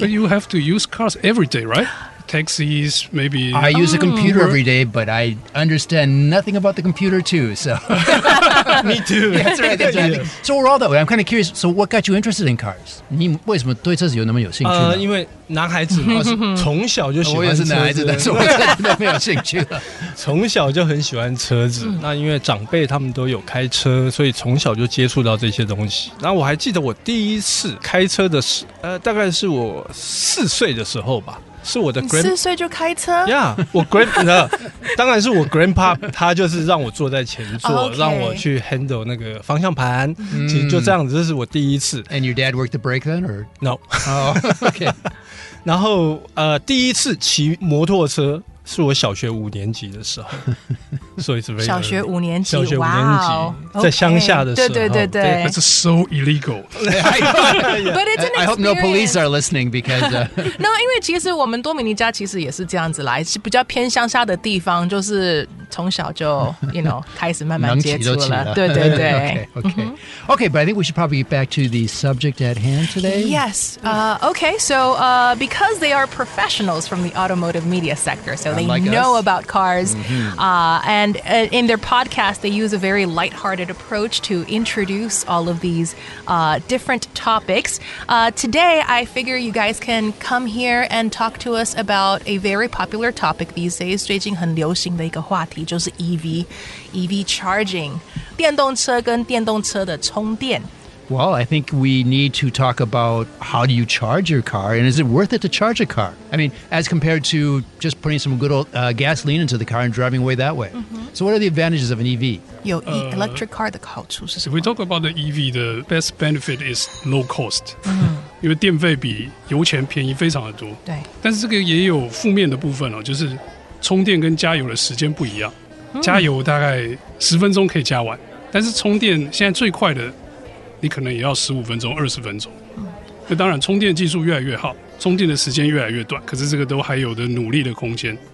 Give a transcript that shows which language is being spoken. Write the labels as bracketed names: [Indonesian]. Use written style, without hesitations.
[English] But you have to use cars every day right? Taxis, maybe... I use a computer every day, but I understand nothing about the computer, too, so... Me, too. That's right. Yes. So we're all that way. I'm kind of curious, so what got you interested in cars? [Chinese] 你为什么对车子有那么有兴趣呢？因为男孩子嘛，从小就喜欢车子。我也是男孩子，但是我真的没有兴趣。从小就很喜欢车子，那因为长辈他们都有开车，所以从小就接触到这些东西。那我还记得我第一次开车的时，大概是我4岁的时候吧。是我的 grand 四岁就开车呀、yeah, 我 grand 当然是我 grandpa 他就是让我坐在前座、 [English] oh, okay. [Chinese] 让我去 handle 那个方向盘、mm. 其实就这样子，这是我第一次。 [English] And your dad worked the brake then or no、 oh, okay. [Chinese] 然后第一次骑摩托车是我小学五年级的时候，所以是小学五年级，小学五年级、 [English] wow. [Chinese] 在乡下的时候， okay. 对对对对 [English] ，That's so illegal. But it's an experience. I hope no police are listening because [Chinese] no, 因为其实我们多米尼加其实也是这样子来，是比较偏乡下的地方，就是从小就 [English] you know [Chinese] 开始慢慢接触了，对对对 [English] ，OK, but I think we should probably get back to the subject at hand today. Yes, okay, so because they are professionals from the automotive media sector. So they、 Unlike、 know、 us. about cars.、Mm-hmm. And in their podcast, they use a very lighthearted approach to introduce all of these、different topics.、today, I figure you guys can come here and talk to us about a very popular topic these days. [Chinese] 最近很流行的一个话题就是 EV, EV charging, 电动车跟电动车的充电。 [English] Well, I think we need to talk about how do you charge your car and is it worth it to charge a car? I mean, as compared to just putting some good old、gasoline into the car and driving away that way.、 Mm-hmm. So what are the advantages of an EV? [Chinese] 有 electric car 的好处是什么? [English] If we talk about the EV, the best benefit is low cost. [Chinese] 因为电费比油钱便宜非常的多。对。但是这个也有负面的部分哦，就是充电跟加油的时间不一样。加油大概十分钟可以加完，但是充电现在最快的你可能也要15分钟、20分钟。那当然充电技术越来越好，充电的时间越来越短，可是这个都还有的努力的空间。